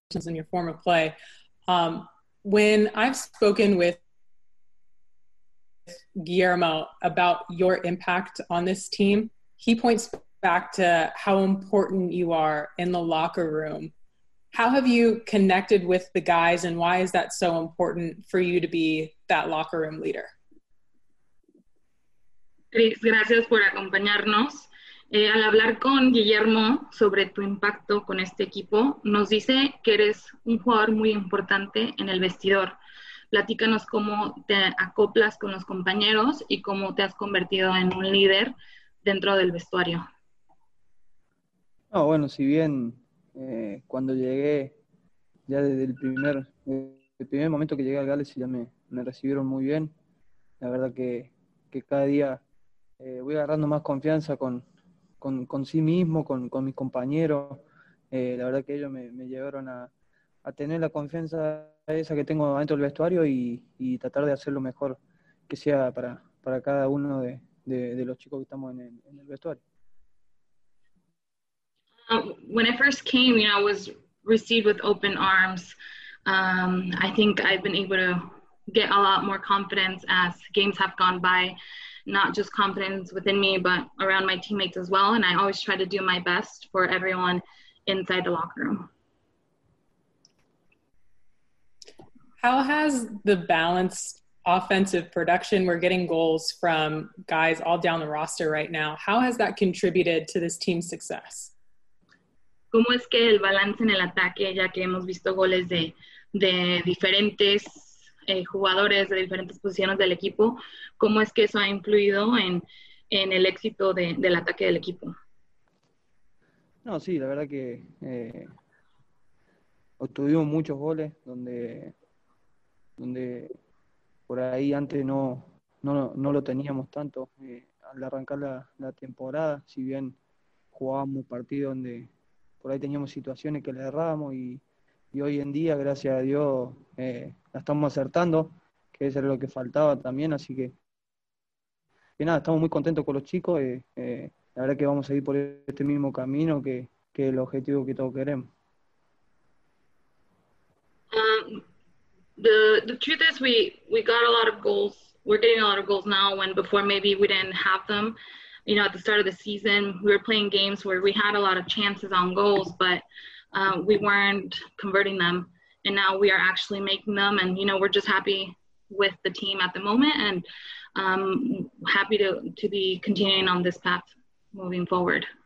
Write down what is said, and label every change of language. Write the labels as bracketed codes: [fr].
[en] In your form of play, when I've spoken with Guillermo about your impact on this team, he points back to how important you are in the locker room. How have you connected with the guys, and why is that so important for you to be that locker room leader? [es] Chris, gracias por acompañarnos. Al hablar con Guillermo sobre tu impacto con este equipo, nos dice que eres un jugador muy importante en el vestidor. Platícanos cómo te acoplas con los compañeros y cómo te has convertido en un líder dentro del vestuario. Oh, bueno, si bien cuando llegué, ya desde el primer momento que llegué al Galaxy ya me recibieron muy bien. La verdad que cada día voy agarrando más confianza con sí mismo, con mis compañeros. La verdad que ellos me llevaron a tener la confianza esa que tengo dentro del vestuario y tratar de hacer lo mejor que sea para cada uno de los chicos que estamos en el vestuario. [en] When I first came, you know, I was received with open arms. I think I've been able to get a lot more confidence as games have gone by. Not just confidence within me, but around my teammates as well. And I always try to do my best for everyone inside the locker room. How has the balanced offensive production, we're getting goals from guys all down the roster right now, how has that contributed to this team's success? [es] ¿Cómo es que el balance en el ataque, ya que hemos visto goles de diferentes jugadores de diferentes posiciones del equipo, cómo es que eso ha influido en el éxito del ataque del equipo? No, sí, la verdad que obtuvimos muchos goles donde por ahí antes no lo teníamos tanto. Al arrancar la temporada, si bien jugábamos partidos donde por ahí teníamos situaciones que le errábamos y hoy en día, gracias a Dios, la estamos acertando, que eso era lo que faltaba también, así que nada, estamos muy contentos con los chicos, la verdad que vamos a seguir por este mismo camino que el objetivo que todos queremos. [en] The truth is we got a lot of goals, we're getting a lot of goals now when before maybe we didn't have them, you know, at the start of the season, we were playing games where we had a lot of chances on goals, but we weren't converting them, and now we are actually making them, and you know, we're just happy with the team at the moment and happy to be continuing on this path moving forward.